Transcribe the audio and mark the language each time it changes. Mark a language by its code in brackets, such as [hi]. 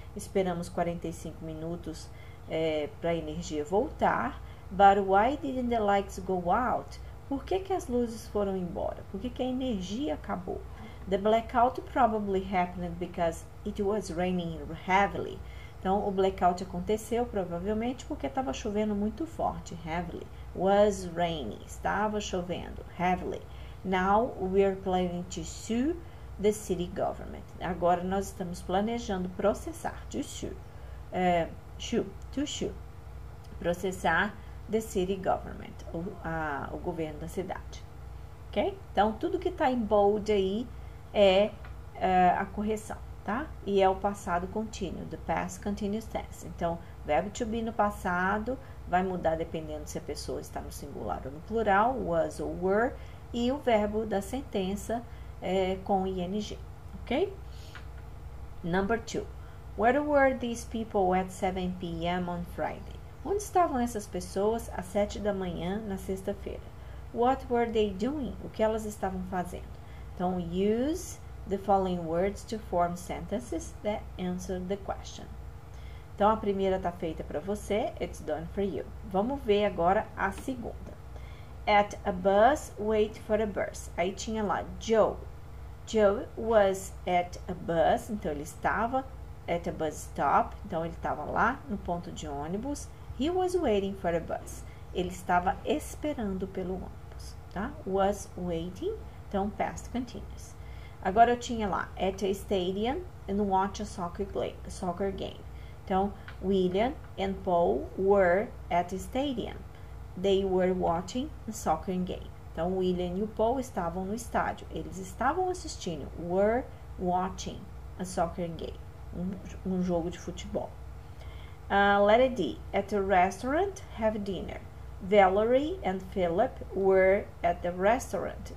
[pt] Esperamos 45 minutos para a energia voltar. [en] But why didn't the lights go out? [pt] Por que que as luzes foram embora? Por que que a energia acabou? [en] The blackout probably happened because it was raining heavily. [pt] Então, o blackout aconteceu provavelmente porque estava chovendo muito forte. [en] Heavily. Was raining. [pt] Estava chovendo. [en] Heavily. Now we are planning to sue the city government. [pt] Agora nós estamos planejando processar. [en] To sue. To sue. [pt] Processar [en] the city government. [pt] O governo da cidade. Ok? Então, tudo que está em bold aí. É a correção, tá? E é o passado contínuo, [en] the past continuous tense. [pt] Então, verbo to be no passado vai mudar dependendo se a pessoa está no singular ou no plural, was ou were, e o verbo da sentença é com ing, ok? [en] Number two. Where were these people at 7 p.m. on Friday? [pt] Onde estavam essas pessoas às 7 da manhã na sexta-feira? [en] What were they doing? [pt] O que elas estavam fazendo? [en] Então, use the following words to form sentences that answer the question. [pt] Então, a primeira está feita para você. [en] It's done for you. [pt] Vamos ver agora a segunda. [en] At a bus, wait for a bus. [pt] Aí tinha lá [en] Joe. Joe was at a bus. [pt] Então, ele estava [en] at a bus stop. [pt] Então, ele estava lá no ponto de ônibus. [en] He was waiting for a bus. [pt] Ele estava esperando pelo ônibus. Tá? [en] Was waiting. Então, past continuous. [pt] Agora eu tinha lá, [en] at a stadium and watch a soccer game. Então, William and Paul were at a stadium. They were watching a soccer game. [pt] Então, o William e o Paul estavam no estádio. Eles estavam assistindo. [en] Were watching a soccer game. [pt] Um jogo de futebol. [en] Letter D. At a restaurant, have dinner. Valerie and Philip were at the restaurant.